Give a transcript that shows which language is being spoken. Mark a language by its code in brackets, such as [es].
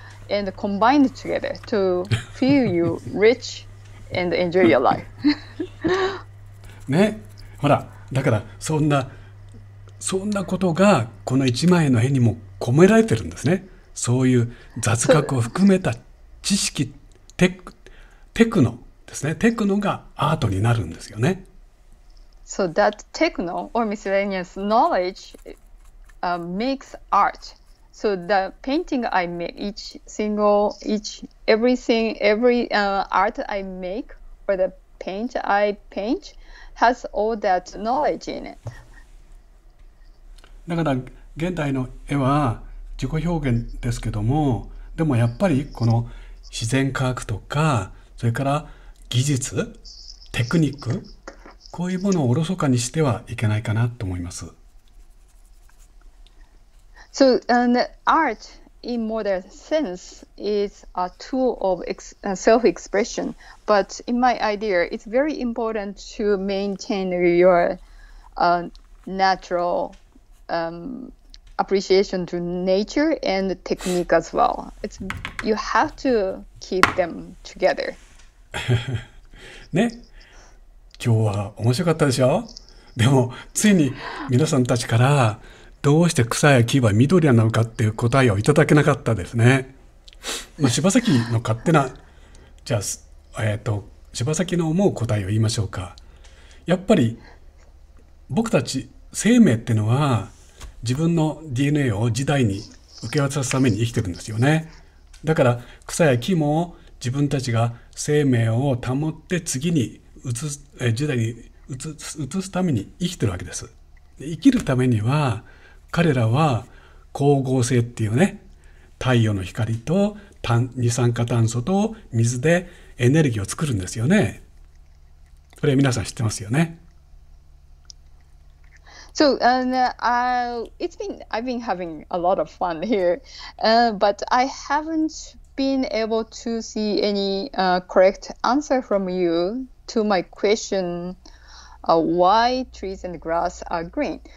[en] and combined together to feel you rich and enjoy your life. [ja] ね、ほら、だからそんなことがこの一枚の絵にも込められてるんですね。そういう雑学を含めた知識、テクノですね。テクノがアートになるんですよね。 [en] So that techno or miscellaneous knowledge makes art. So the painting I make, art I make or the paint I paint has all that knowledge in it. [ja] だから現代の絵は自己表現ですけども、でもやっぱりこの自然科学とか、それから技術、テクニック、こういうものをおろそかにしてはいけないかなと思います。 [en] So, art in modern sense is a tool of self-expression, but in my idea, it's very important to maintain your natural appreciation to nature and technique as well. You have to keep them together. [ja] ね、今日は面白かったでしょ。でもついに皆さんたちからどうして草や木は緑なのかっていう答えをいただけなかったですね。まあ、柴崎の勝手な、じゃあ柴崎の思う答えを言いましょうか。やっぱり僕たち生命っていうのは自分の DNA を次代に受け渡すために生きてるんですよね。だから草や木も自分たちが生命を保って次に時代に移すために生きてるわけです。生きるためには彼らは光合成っていうね、太陽の光と二酸化炭素と水でエネルギーを作るんですよね。これ皆さん知ってますよね。 [en] So I've been having a lot of fun here but I haven't been able to see any correct answer from youto my question, why trees and grass are green.